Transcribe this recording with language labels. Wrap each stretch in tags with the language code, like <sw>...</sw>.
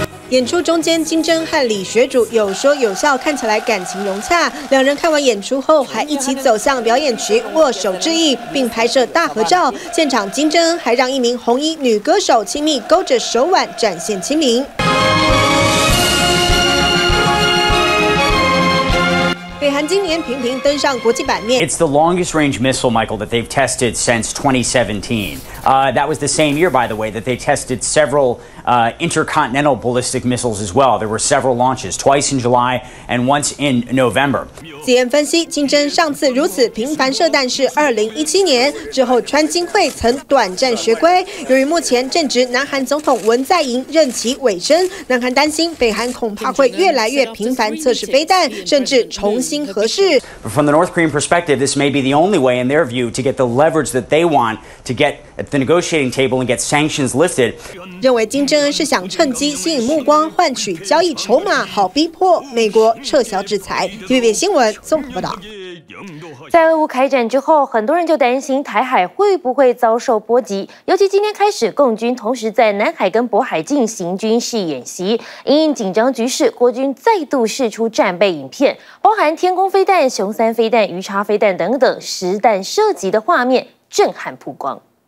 <zh>演出中间金正和李雪主有说有笑，看起来感情融洽，两人看完演出后还一起走向表演区握手致意，并拍摄大合照。现场金正还让一名红衣女歌手亲密勾着手腕展现亲民。北韩今年频频登上国际版面。</zh> <en>It's the longest range missile, Michael, that they've tested since 2017. That was the same year, by the way, that they tested several intercontinental ballistic missiles as well. There were several launches, twice in July and once in November.</en> <zh>此言分析，金正上次如此频繁射弹是2017年之后，川金会曾短暂学乖。由于目前正值南韩总统文在寅任期尾声，南韩担心北韩恐怕会越来越频繁测试飞弹，甚至重。</zh> <en>From the North Korean perspective, this may be the only way, in their view, to get the leverage that they want to get at the negotiating table and get sanctions lifted.</en> <zh>认为金正恩是想趁机吸引目光，换取交易筹码，好逼迫美国撤销制裁。 TVB 新闻综合报道。在俄乌开战之后，很多人就担心台海会不会遭受波及，尤其今天开始共军同时在南海跟渤海进行军事演习，因应紧张局势，国军再度释出战备影片，包含天空飞弹、熊三飞弹、鱼叉飞弹等等实弹射击的画面震撼曝光。</zh>